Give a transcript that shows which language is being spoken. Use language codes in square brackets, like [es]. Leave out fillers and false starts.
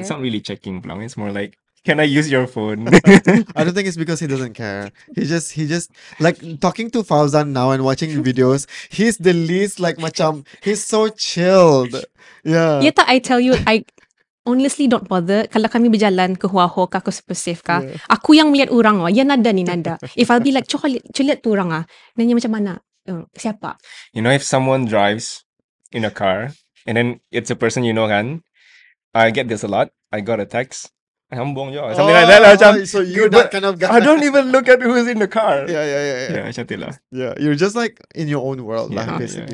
[en] It's not really checking, blong. It's more like, can I use your phone? I don't think it's because he doesn't care. He just like talking to Fauzan now and watching videos. He's the least like macam. He's so chilled. Yeah. Yeah, tak, I tell you, I honestly don't bother. [ms] Kalau kami berjalan ke Huaho ka, ke Super Safe ka, aku yang melihat orang wah. Ya nada ni nada. [en] If I'll be like, [ms] coba lihat tu orang ah. Nanya macam mana? Siapa? [en] You know, if someone drives in a car and then it's a person you know kan, I get this a lot. I got a text. Something like that. So you're that kind of guy. I don't even look at who's in the car. Yeah. You're just like in your own world. Yeah. Like, basically.